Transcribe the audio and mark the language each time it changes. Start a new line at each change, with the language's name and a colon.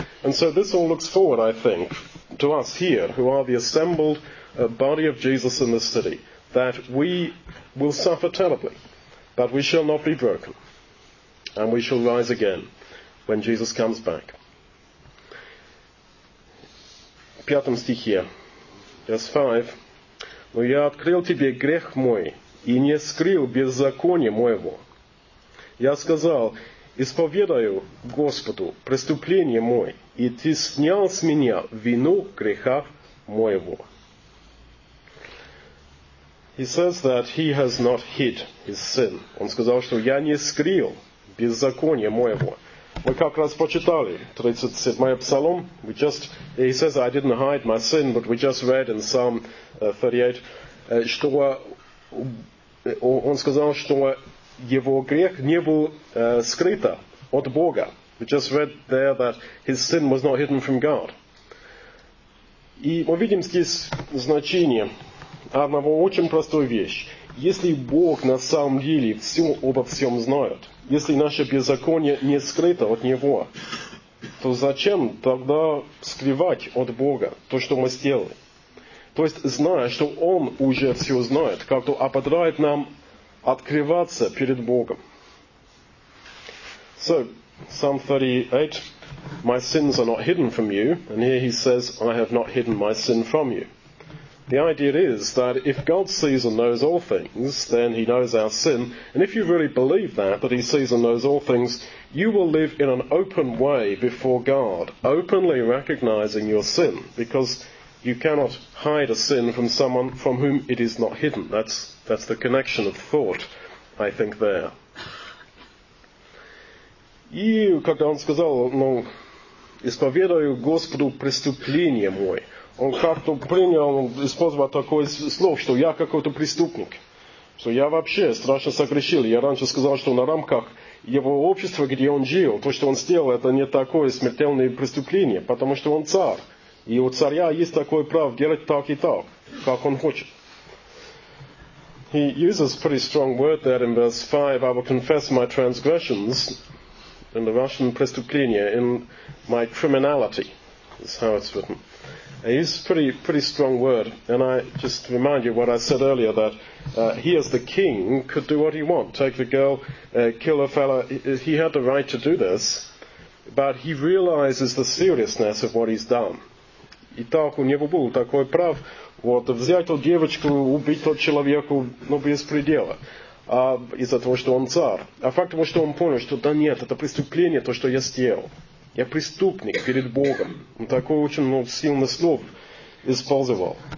English: And so this all looks forward, I think, to us here, who are the assembled body of Jesus in this city, that we will suffer terribly, but we shall not be broken, and we shall rise again when Jesus comes back.
Russian: В пятом стихе,
English: verse 5,
Russian: «Но я открыл тебе грех мой, и не скрыл беззаконие моего. Я сказал, исповедаю Господу преступление мое, и ты снял с меня вину греха моего».
English: He says that he has not hid his sin.
Russian: Он сказал, что я не скрыл беззаконие моего. Мы как раз прочитали 37-й псалом.
English: We just, he says, I didn't hide my sin, but we just read in Psalm 38,
Russian: что он сказал, что его грех не был скрыт от Бога.
English: We just read there that his sin was not hidden from God.
Russian: И мы видим здесь значение одного очень простой вещь. Если Бог на самом деле все обо всем знает, если наше беззаконие не скрыто от Него, то зачем тогда скрывать от Бога то, что мы сделали? То есть, зная, что Он уже все знает, как-то ободрает нам открываться перед Богом.
English: So, Psalm 38, my sins are not hidden from you. And here he says, I have not hidden my sin from you. The idea is that if God sees and knows all things, then he knows our sin. And if you really believe that, that he sees and knows all things, you will live in an open way before God, openly recognizing your sin, because you cannot hide a sin from someone from whom it is not hidden. That's the connection of thought, I think, there.
Russian: И, как он сказал, ну, исповедаю Господу преступление мое. Он как-то принял, использовал такое слово, что я какой-то преступник. Что я вообще страшно согрешил. Я раньше сказал, что на рамках его общества, где он жил, то, что он сделал, это не такое смертельное преступление, потому что он царь. И у царя есть такое право делать так и так, как он хочет.
English: He uses a pretty strong word there in verse 5. I will confess my transgressions, in the Russian преступление, in my criminality, is how it's written. He's a pretty strong word, and I just remind you what I said earlier, that he as the king could do what he wants, take the girl, kill a fella. He had the right to do this, but he realizes the seriousness of what he's done.
Russian: Итак, у него был такой прав, вот, взять ту девочку, убить ту человеку, ну, без предела, из-за того, что он царь. А факт того, что он понял, что да нет, это преступление, то, что я сделал. Я преступник перед Богом. Он такой очень, ну, сильный слов использовал.